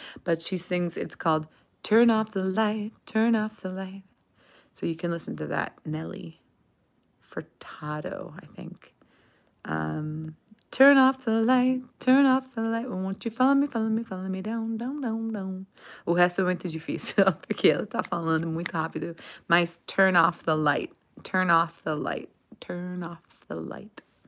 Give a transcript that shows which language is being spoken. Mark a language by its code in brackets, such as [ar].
[en] But she sings, it's called Turn Off the Light, Turn Off the Light. So you can listen to that, Nelly Furtado, I think. Turn off the light, turn off the light. Won't you follow me down, down, down, down. [pt] O resto é muito difícil, porque ela tá falando muito rápido. [en] Mas turn off the light, turn off the light, turn off the light.